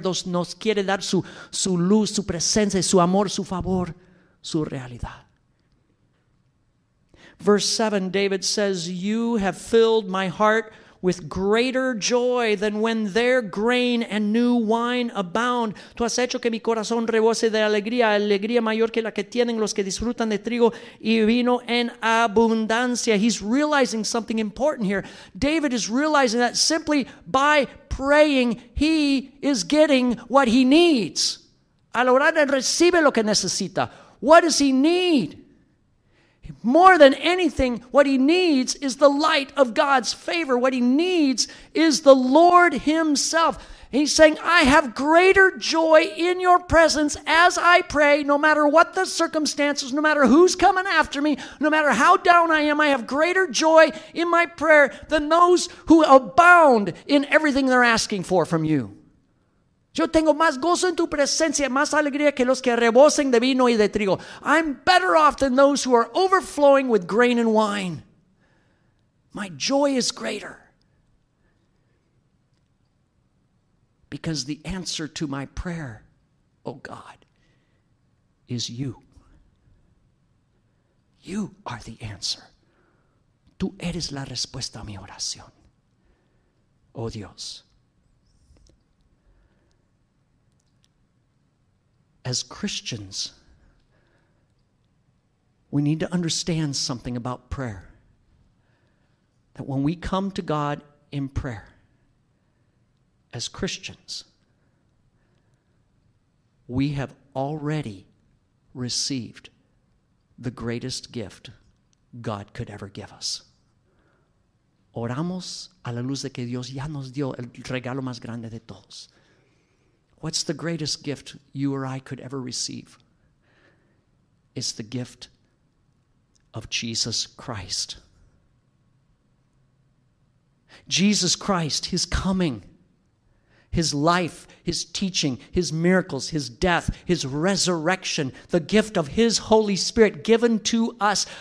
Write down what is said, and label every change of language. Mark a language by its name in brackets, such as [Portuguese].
[Spanish] Dios nos quiere dar su luz, su presencia, su amor, su favor, su realidad. [English] Verse 7, David says, you have filled my heart with greater joy than when their grain and new wine abound. [Spanish] Tú has hecho que mi corazón rebose de alegría, alegría mayor que la que tienen los que disfrutan de trigo y vino en abundancia. [English] He's realizing something important here. David is realizing that simply by praying, he is getting what he needs. [Spanish] Al orar, él recibe lo que necesita. [English] What does he need? More than anything, what he needs is the light of God's favor. What he needs is the Lord himself. He's saying, I have greater joy in your presence as I pray, no matter what the circumstances, no matter who's coming after me, no matter how down I am, I have greater joy in my prayer than those who abound in everything they're asking for from you. [Spanish] Yo tengo más gozo en tu presencia, más alegría que los que rebosen de vino y de trigo. [English] I'm better off than those who are overflowing with grain and wine. My joy is greater. Because the answer to my prayer, oh God, is you. You are the answer. [Spanish] Tú eres la respuesta a mi oración. Oh Dios. [English] As Christians, we need to understand something about prayer. That when we come to God in prayer, as Christians, we have already received the greatest gift God could ever give us. [Spanish] Oramos a la luz de que Dios ya nos dio el regalo más grande de todos. [English] What's the greatest gift you or I could ever receive? It's the gift of Jesus Christ. Jesus Christ, his coming, his life, his teaching, his miracles, his death, his resurrection, the gift of his Holy Spirit given to us.